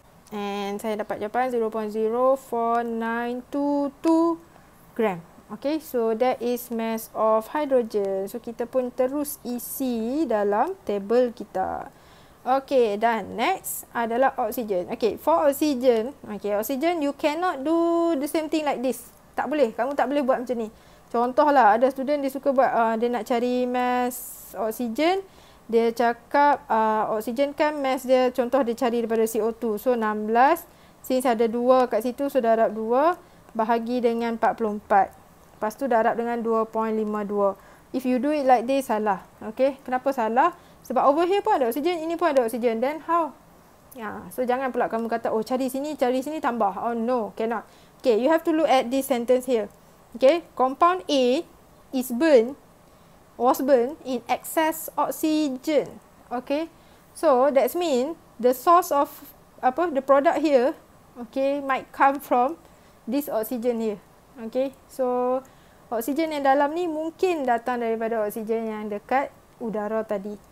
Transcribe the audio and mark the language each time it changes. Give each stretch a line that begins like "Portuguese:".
Malay: And saya dapat jawapan 0.04922 gram.
English: Okay, so that is mass of hydrogen.
Malay: So kita pun terus isi dalam table kita.
English: Okay, dan next adalah oxygen. Okay, for oxygen, okay, oxygen you cannot do the same thing like this.
Malay: Tak boleh, kamu tak boleh buat macam ni. Contohlah, ada student dia suka buat, dia nak cari mass oxygen. Dia cakap, oxygen kan mass dia, contoh dia cari daripada CO2. So, 16, since ada 2 kat situ, so darab 2, bahagi dengan 44. Lepas tu darab dengan 2.52.
English: If you do it like this,
Malay: salah. Okay, kenapa salah? Sebab over here pun ada oksigen, ini pun ada oksigen.
English: Then how?
Malay: Yeah. So, jangan pula kamu kata, oh cari sini tambah.
English: Oh no, cannot. Okay, you have to look at this sentence here. Okay, compound A is burned, was burned in excess oxygen. Okay, so that means the source of, apa, the product here, okay, might come from this oxygen here.
Malay: Okay, so oksigen yang dalam ni mungkin datang daripada oksigen yang dekat udara tadi.